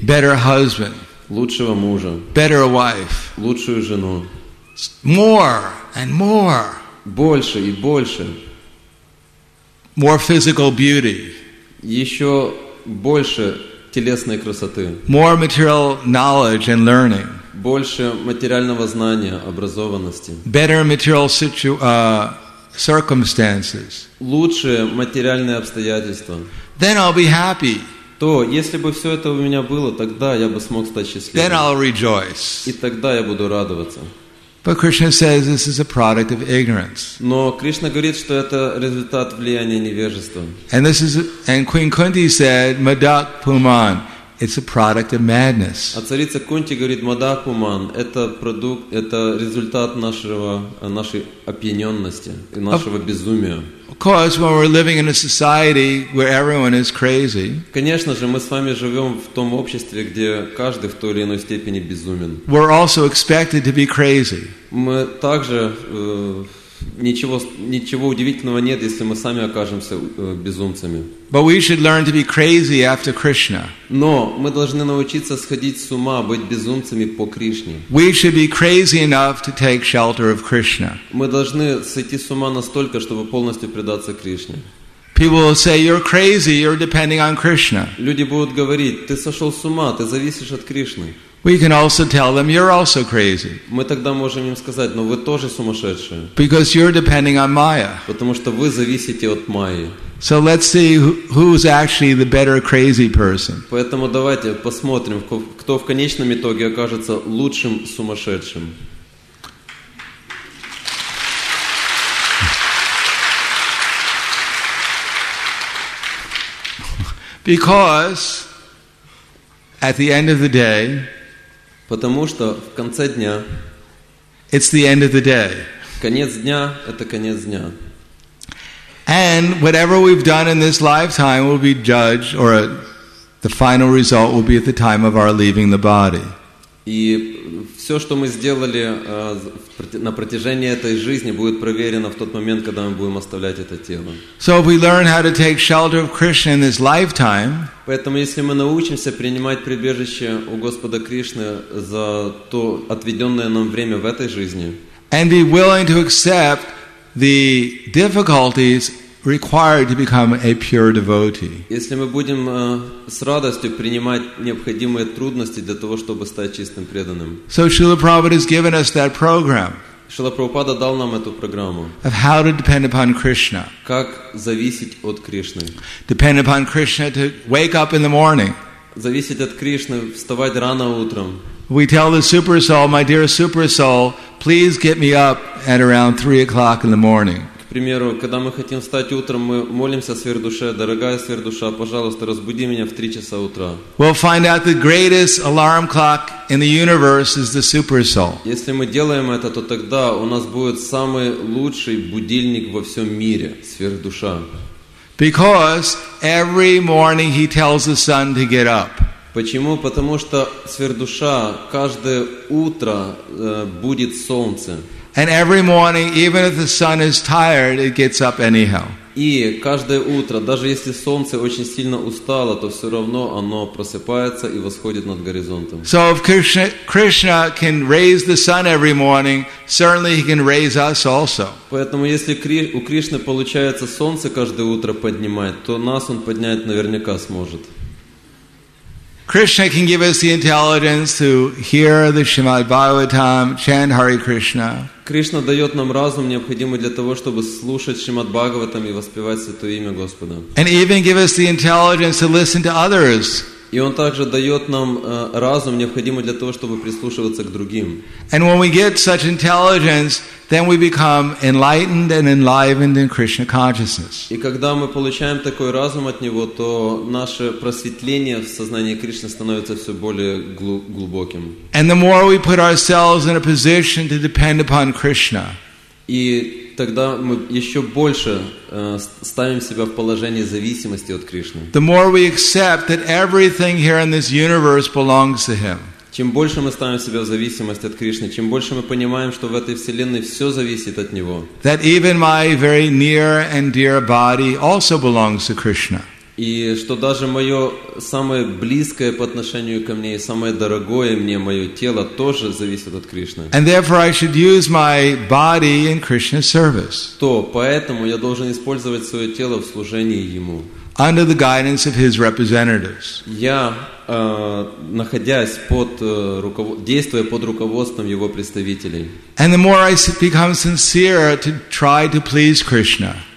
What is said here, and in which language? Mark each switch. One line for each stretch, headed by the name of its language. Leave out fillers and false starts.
English: better husband,
Russian: лучшего мужа,
English: better wife,
Russian: лучшую жену,
English: more and more,
Russian: больше и больше,
English: more physical beauty,
Russian: еще больше телесной красоты.
English: More material knowledge and learning.
Russian: Больше материального знания, образованности.
English: Better material circumstances.
Russian: Лучшие материальные обстоятельства.
English: Then I'll be happy.
Russian: То, если бы все это у меня было, тогда я бы смог стать счастливым.
English: Then I'll rejoice.
Russian: И тогда я буду радоваться.
English: But Krishna says this is a product of ignorance.
Russian: Но Кришна говорит, что это результат влияния невежества.
English: And this is and Queen Kunti said, Madak Puman, it's a product of madness.
Russian: А царица Кунти говорит, Мадак Пуман, это продукт, это результат нашего нашей опьяненности и нашего безумия.
English: Of course, when we're living in a society where everyone is crazy.
Russian: Конечно же, мы с вами живем в том обществе, где каждый в той или иной степени безумен.
English: We're also expected to be crazy.
Russian: Мы также ничего удивительного нет, если мы сами окажемся безумцами.
English: But we should learn to be crazy after Krishna.
Russian: Но мы должны научиться сходить с ума, быть безумцами по Кришне.
English: We should be crazy enough to take shelter of Krishna.
Russian: Мы должны сойти с ума настолько, чтобы полностью предаться Кришне.
English: People will say, you're crazy, you're depending on Krishna.
Russian: Люди будут говорить, ты сошел с ума, ты зависишь от Кришны.
English: We can also tell them you're also crazy.
Russian: Мы тогда можем им сказать, но вы тоже сумасшедшие.
English: Because you're depending on Maya.
Russian: Потому что вы зависите от Майи.
English: So let's see who's actually the better crazy person.
Russian: Поэтому давайте посмотрим, кто в конечном итоге окажется лучшим сумасшедшим.
English: Because at the end of the day,
Russian: потому что в конце дня,
English: it's the end of the day.
Russian: Конец дня это конец дня.
English: And whatever we've done in this lifetime will be judged, or the final result will be at the time of our leaving the body.
Russian: И все, что мы сделали на протяжении этой жизни, будет проверено в тот момент, когда мы будем оставлять это тело.
English: So if we learn how to take shelter of Krishna in this lifetime,
Russian: поэтому если мы научимся принимать прибежище у Господа Кришны за то отведенное нам время в этой жизни,
English: and be willing to accept the difficulties required to become a pure devotee.
Russian: Если мы будем с радостью принимать необходимые трудности для того, чтобы стать чистым преданным.
English: So Srila Prabhupada has given us that program.
Russian: Srila Prabhupada дал нам эту программу.
English: Of how to depend upon Krishna.
Russian: Как зависеть от Кришны.
English: Depend upon Krishna to wake up in the morning.
Russian: зависеть от Кришны, вставать рано утром.
English: We tell the super soul, my dear super soul, please get me up at around 3 o'clock in the morning.
Russian: К примеру, когда мы хотим встать утром, мы молимся сверхдуше, дорогая сверхдуша, пожалуйста, разбуди меня в 3 часа утра.
English: We'll find out the greatest alarm clock in the universe is the super soul.
Russian: Если мы делаем это, то тогда у нас будет самый лучший будильник во всем мире, сверхдуша.
English: Because every morning he tells the sun to get up.
Russian: Почему? Потому что сверхдуша каждое утро будет солнце.
English: And every morning, even if the sun is tired, it gets up anyhow.
Russian: И каждое утро, даже если солнце очень сильно устало, то все равно оно просыпается и восходит над горизонтом.
English: So if Krishna can raise the sun every morning, certainly he can raise us also.
Russian: Поэтому если у Кришны получается солнце каждое утро поднимать, то нас он поднять наверняка сможет.
English: Krishna can give us the intelligence to hear the Srimad Bhagavatam, chant Hare Krishna.
Russian: Кришна дает нам разум, необходимый для того, чтобы слушать Шримад Бхагаватам и воспевать Святое Имя Господа.
English: And even give us the intelligence to listen to others.
Russian: И Он также дает нам разум, необходимый для того, чтобы прислушиваться к другим.
English: And when we get such intelligence, then we become enlightened and enlivened in Krishna consciousness.
Russian: И когда мы получаем такой разум от Него, то наше просветление в сознании Кришны становится все более глубоким.
English: And the more we put ourselves in a position to depend upon Krishna,
Russian: и тогда мы еще больше ставим себя в положение зависимости от Кришны.
English: The more we accept that everything here in this universe belongs to Him.
Russian: Чем больше мы ставим себя в зависимость от Кришны, чем больше мы понимаем, что в этой вселенной все зависит от Него.
English: That even my very near and dear body also belongs to Krishna.
Russian: И что даже мое самое близкое по отношению ко мне и самое дорогое мне мое тело тоже зависит от Кришны.
English: And therefore I should use my body in Krishna's service.
Russian: То поэтому я должен использовать свое тело в служении Ему.
English: Under the guidance of His representatives.
Russian: Я находясь под действуя под руководством Его представителей.
English: And the more I become sincere to try to please Krishna.